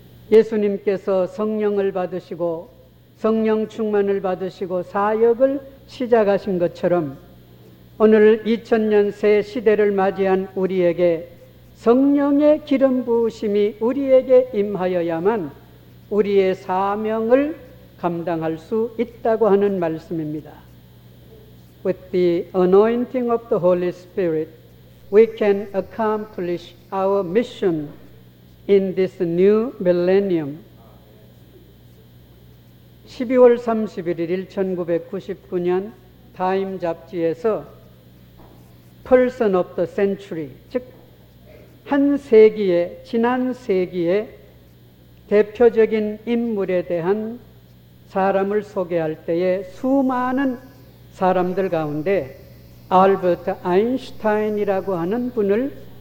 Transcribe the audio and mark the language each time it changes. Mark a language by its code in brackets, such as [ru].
[ko] 예수님께서 성령을 받으시고 성령 충만을 받으시고 사역을 시작하신 것처럼 오늘 2000년 새 시대를 맞이한 우리에게 성령의 기름 부으심이 우리에게 임하여야만 우리의 사명을 감당할 수 있다고 하는 말씀입니다. [en] With the anointing of the Holy Spirit, we can accomplish our mission in this new millennium. [ko] 12월 31일 1999년 타임 잡지에서 [en] Person of the Century, [ko] 즉 한 세기에, 지난 세기에 대표적인 인물에 대한 사람을 소개할 때에 수많은 사람들 가운데 알버트 아인슈타인이라고 하는 분을